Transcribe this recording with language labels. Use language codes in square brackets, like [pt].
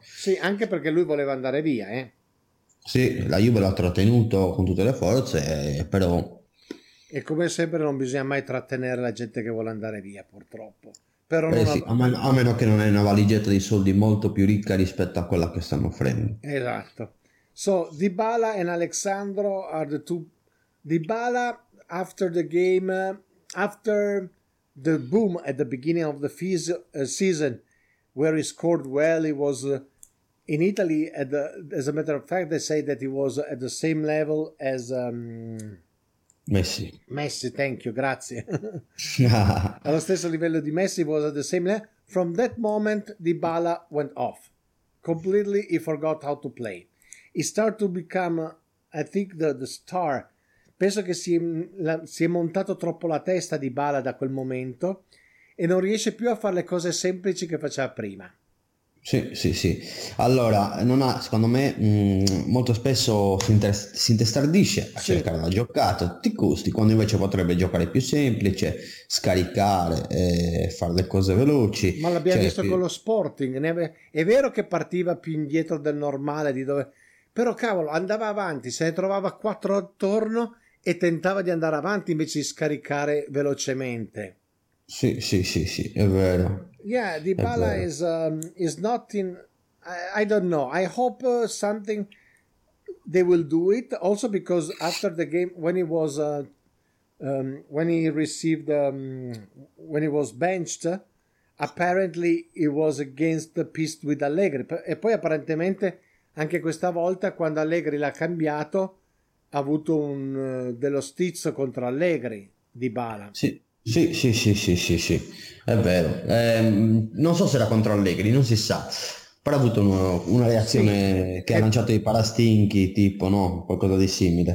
[it] Sì, anche perché lui voleva andare via, Sì, la Juve l'ha trattenuto con tutte le forze, però... E come sempre non bisogna mai trattenere la gente che vuole andare via, purtroppo. Però a meno che non è una valigetta di soldi molto più ricca rispetto a quella che stanno offrendo. Esatto. [en] So, Dybala and Alessandro are the two... Dybala, after the game, after the boom at the beginning of the season, where he scored well, he was... in Italy, as a matter of fact, they say that he was at the same level as... Messi, thank you, [it] grazie. Allo stesso livello di Messi, [en] was at the same level. From that moment, Dybala went off. Completely, he forgot how to play. He started to become, I think, the star. [it] Penso che si è montato troppo la testa Dybala da quel momento e non riesce più a fare le cose semplici che faceva prima. Sì. Allora, non ha, secondo me, molto spesso si intestardisce a cercare una giocata, tutti i costi, quando invece potrebbe giocare più semplice, scaricare, fare le cose veloci. Ma l'abbiamo visto con lo Sporting, è vero che partiva più indietro del normale, di dove, però cavolo, andava avanti, se ne trovava quattro attorno e tentava di andare avanti invece di scaricare velocemente. Sì, è vero. [en] Yeah, Dybala is not in... I don't know. I hope something... They will do it. Also because after the game, when he was... when he received... when he was benched, apparently he was against the pist with Allegri. [it] E poi apparentemente anche questa volta, quando Allegri l'ha cambiato, ha avuto dello stizzo contro Allegri, Dybala. Sì, è vero. Non so se era contro Allegri, non si sa, però ha avuto una reazione che ha lanciato i parastinchi, tipo, no, qualcosa di simile.